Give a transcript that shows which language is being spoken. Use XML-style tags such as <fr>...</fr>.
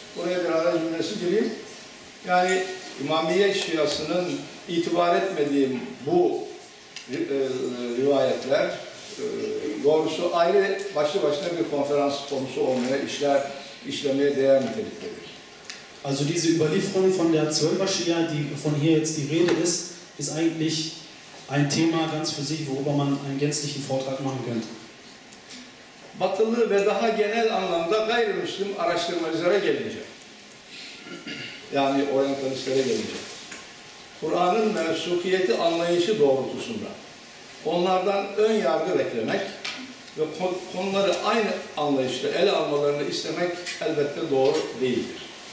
<tr>Buraya bir ara cümlesi gireyim. Yani İmamiye Şiası'nın itibar etmediği bu rivayetler. Doğrusu ayrı başlı başına bir konferans konusu olmaya işler işlemeye değer niteliktedir.</tr> <de>Also diese Überlieferung von der Zwölfer Schia, die von hier jetzt die Rede ist, ist eigentlich ein Thema ganz für sich, worüber man einen gänzlichen Vortrag machen könnte.</de> <tr>Batılı ve daha genel anlamda gayrimüslim araştırmacılara gelince, yani oryantalistlere gelince, Kur'an'ın mevsukiyeti anlayışı doğrultusunda onlardan ön yargı beklemek ve konuları aynı anlayışla ele almalarını istemek elbette doğru değildir.</tr>